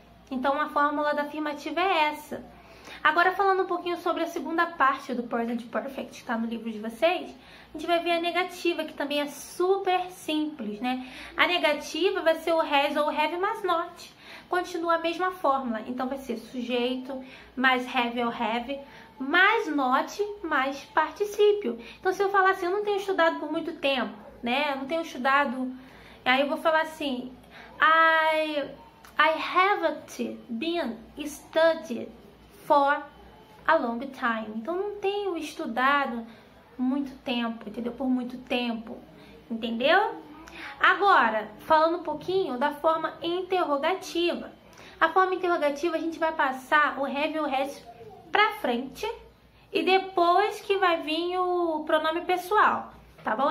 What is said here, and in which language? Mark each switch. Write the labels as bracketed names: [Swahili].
[Portuguese] Então a fórmula da afirmativa é essa. Agora falando um pouquinho sobre a segunda parte do present perfect que tá no livro de vocês, a gente vai ver a negativa, que também é super simples, né? A negativa vai ser o has ou have mais not. Continua a mesma fórmula, então vai ser sujeito mais have ou have, mais not, mais particípio. Então, se eu falar assim, eu não tenho estudado por muito tempo, né? Eu não tenho estudado. Aí eu vou falar assim, [English] I haven't been studied for a long time. [Portuguese] Então, não tenho estudado muito tempo, entendeu? Por muito tempo, entendeu? Agora, falando um pouquinho da forma interrogativa. A forma interrogativa, a gente vai passar o have ou has pra frente e depois que vai vir o pronome pessoal, tá bom?